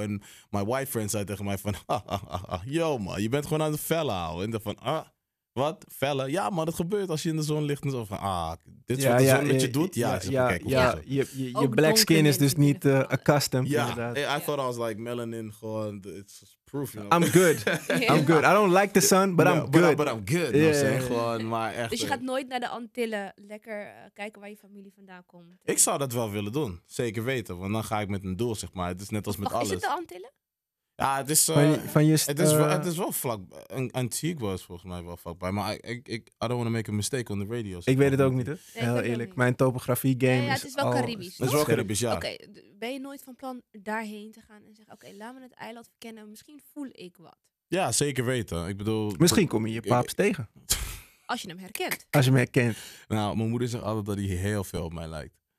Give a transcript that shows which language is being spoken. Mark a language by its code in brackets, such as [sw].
[nl] En [en] my white friend [nl] zei tegen mij van, yo man, je bent gewoon aan het vellen houden. En ik dacht van, wat? Vellen? Ja, maar dat gebeurt als je in de zon ligt. En zo van, dit is wat de zon met je doet. Je [en] black skin [nl] is dus niet accustomed. Ja, inderdaad. [en] I thought I was like melanin. [nl] Gewoon, [en] it's proof. You know? I'm good. I'm good. I don't like the sun, but I'm good. But I'm good. Yeah. No, saying, [nl] gewoon, maar echt, dus je gaat nooit naar de Antillen lekker kijken waar je familie vandaan komt? Ik zou dat wel willen doen. Zeker weten. Want dan ga ik met een doel, zeg maar. Het is net als met alles. Is het de Antillen? Ja, het is, wel vlak. Antigua is volgens mij wel vlakbij. Maar ik [en] I don't want to make a mistake on the radio. [nl] Ik weet het ook niet, hè? Nee, heel eerlijk. Mijn topografie game is het is wel Caribisch. Het is wel Caribisch, ja. Oké, ben je nooit van plan daarheen te gaan en zeggen, laat me het eiland verkennen. Misschien voel ik wat. Ja, zeker weten. Ik bedoel... Misschien kom je je paaps tegen. Als je hem herkent. Als je hem herkent. Nou, mijn moeder zegt altijd dat hij heel veel op mij lijkt.